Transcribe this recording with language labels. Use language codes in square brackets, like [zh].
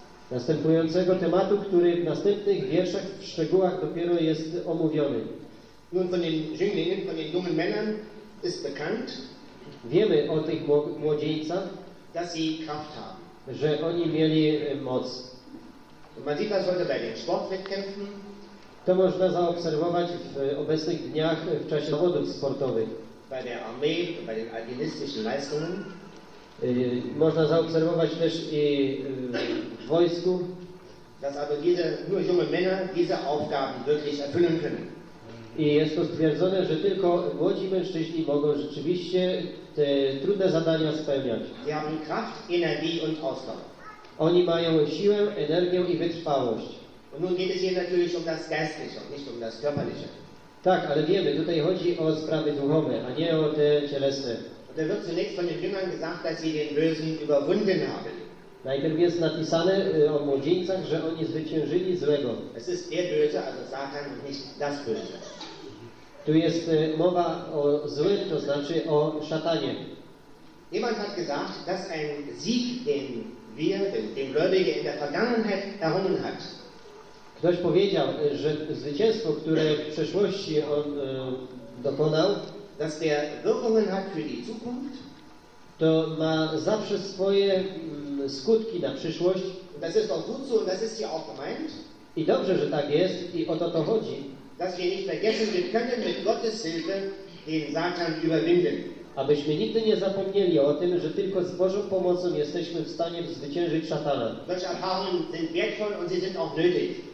[pl] Następującego tematu, który w następnych wierszach w szczegółach dopiero jest omówiony. [de] Nun von den Jünglingen, von den jungen Männern ist bekannt. [pl] Wiemy o tych młodzieńcach, [de] dass sie Kraft haben. [pl] Że oni mieli moc. [de] Man sieht das heute bei den Sportwettkämpfen. [pl] To można zaobserwować w obecnych dniach w czasie zawodów sportowych. [de] Bei der Armee, bei den alpinistischen Leistungen. [pl] Można zaobserwować też i w wojsku. [de] dass also diese nur junge Männer diese Aufgaben wirklich erfüllen können. [pl] I jest to stwierdzone, że tylko młodzi mężczyźni mogą rzeczywiście te trudne zadania spełniać. [de] Sie haben Kraft, Energie und Ausdauer. [pl] Oni mają siłę, energię i wytrwałość. [de] Und nun geht es hier natürlich um das Geistliche, nicht um das Körperliche. [pl] Tak, ale wiemy, tutaj chodzi o sprawy duchowe, a nie o te cielesne. [de] Da wird zunächst von den Jüngern gesagt, dass sie den Bösen überwunden haben. [pl] Najpierw jest napisane o młodzieńcach, że oni zwyciężyli złego. [de] Es ist der Böse, also Satan, nicht das Böse. [pl] Tu jest mowa o złych, to znaczy o szatanie. [de] Jemand hat gesagt, dass ein Sieg, den wir, den Gläubige in der Vergangenheit errungen hat. [pl] Ktoś powiedział, że zwycięstwo, które w przeszłości on dokonał, [de] dass der Wirkungen hat für die Zukunft, [pl] to ma zawsze swoje skutki na przyszłość. [de] Das ist auch gut so, das ist hier auch gemeint. [pl] I dobrze, że tak jest i o to chodzi. [de] Dass wir nicht vergessen, wir können mit Gottes Hilfe den Satan überwinden. [pl] Abyśmy nigdy nie zapomnieli o tym, że tylko z Bożą pomocą jesteśmy w stanie zwyciężyć szatana. [de] Deutsche Erfahrungen sind wertvoll und sie sind auch nötig.